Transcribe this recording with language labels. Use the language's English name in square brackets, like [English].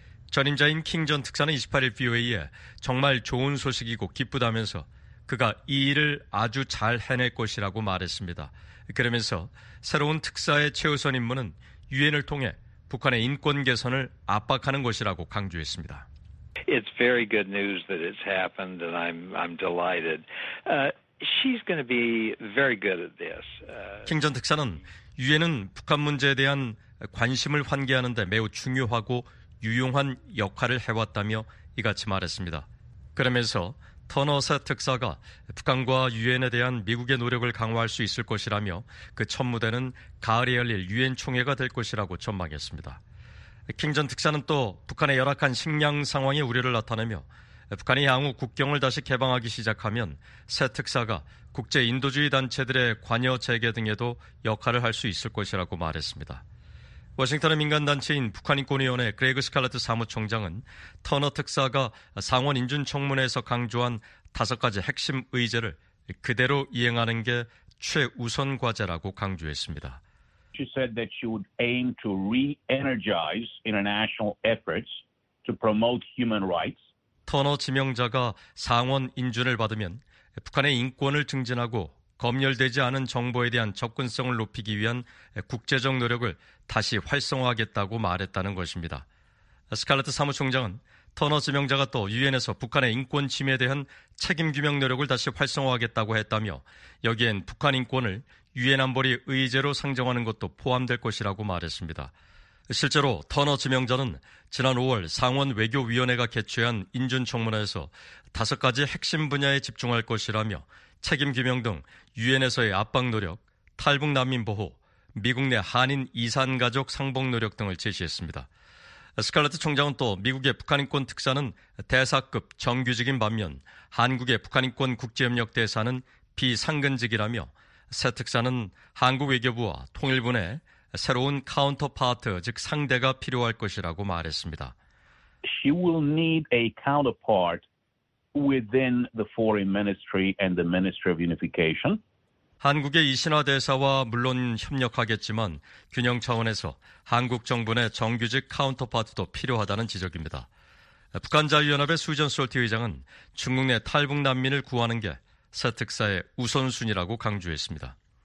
[Korean] 전임자인 킹 전 특사는 28일 VOA에 정말 좋은 소식이고 기쁘다면서 그가 이 일을 아주 잘 해낼 것이라고 말했습니다. 그러면서 새로운 특사의 최우선 임무는 유엔을 통해 북한의 인권 개선을 압박하는 것이라고 강조했습니다. [English] It's very good news that it's happened and I'm delighted. She's going to be very good at this. [Korean] 킹 전 특사는 유엔은 북한 문제에 대한 관심을 환기하는 데 매우 중요하고 유용한 역할을 해왔다며 이같이 말했습니다. 그러면서 터너 새 특사가 북한과 유엔에 대한 미국의 노력을 강화할 수 있을 것이라며 그 첫 무대는 가을에 열릴 유엔 총회가 될 것이라고 전망했습니다. 킹 전 특사는 또 북한의 열악한 식량 상황에 우려를 나타내며 북한이 향후 국경을 다시 개방하기 시작하면 새 특사가 국제 인도주의 단체들의 관여 재개 등에도 역할을 할 수 있을 것이라고 말했습니다. 워싱턴의 민간단체인 북한인권위원회 그레그 스칼렛 사무총장은 터너 특사가 상원 인준 청문회에서 강조한 다섯 가지 핵심 의제를 그대로 이행하는 게 최우선 과제라고 강조했습니다. [English] She said that she would aim to re-energize international efforts to promote human rights. [Korean] 터너 지명자가 상원 인준을 받으면 북한의 인권을 증진하고 검열되지 않은 정보에 대한 접근성을 높이기 위한 국제적 노력을 다시 활성화하겠다고 말했다는 것입니다. 스칼렛 사무총장은 터너 지명자가 또 유엔에서 북한의 인권 침해에 대한 책임 규명 노력을 다시 활성화하겠다고 했다며 여기엔 북한 인권을 유엔 안보리 의제로 상정하는 것도 포함될 것이라고 말했습니다. 실제로 터너 지명자는 지난 5월 상원 외교위원회가 개최한 인준청문회에서 다섯 가지 핵심 분야에 집중할 것이라며 책임 규명 등 유엔에서의 압박 노력, 탈북 난민 보호, 미국 내 한인 이산 가족 상봉 노력 등을 제시했습니다. 스칼렛 총장은 또 미국의 북한인권 특사는 대사급 정규직인 반면 한국의 북한인권 국제협력 대사는 비상근직이라며 새 특사는 한국 외교부와 통일부 내 새로운 카운터파트, 즉 상대가 필요할 것이라고 말했습니다. [English] She will need a counterpart within the foreign ministry and the ministry of unification. [Korean] 한국의 이신화 대사와 물론 협력하겠지만 균형 차원에서 한국 정부 내 정규직 카운터파트도 필요하다는 지적입니다. 북한 자유연합의 수전 솔티 의장은 중국 내 탈북 난민을 구하는 게 새 특사의 우선순위라고 강조했습니다.